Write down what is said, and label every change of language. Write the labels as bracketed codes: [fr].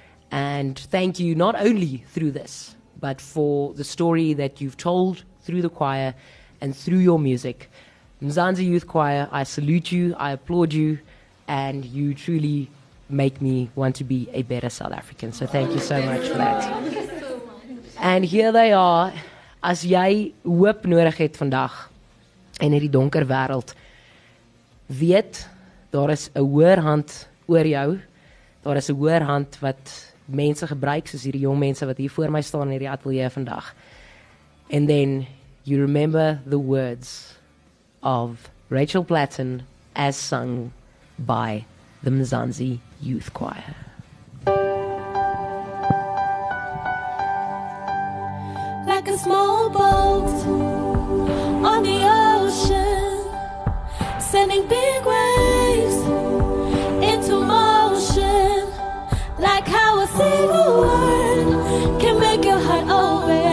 [en] And thank you not only through this, but for the story that you've told through the choir and through your music. Mzansi Youth Choir, I salute you, I applaud you, and you truly make me want to be a better South African. So thank you so much for that. And here they are. [af] As jy hoop nodig het vandag in hierdie donker wêreld, weet, daar is 'n hoër hand oor jou. Daar is 'n hoër hand wat mense gebruik, soos hierdie jong mense wat hier voor my staan in hierdie ateljee vandag. [en] And then you remember the words of Rachel Platten as sung by the Mzansi Youth Choir. Like a small boat on the ocean, sending big waves into motion, like how a single word can make your heart open.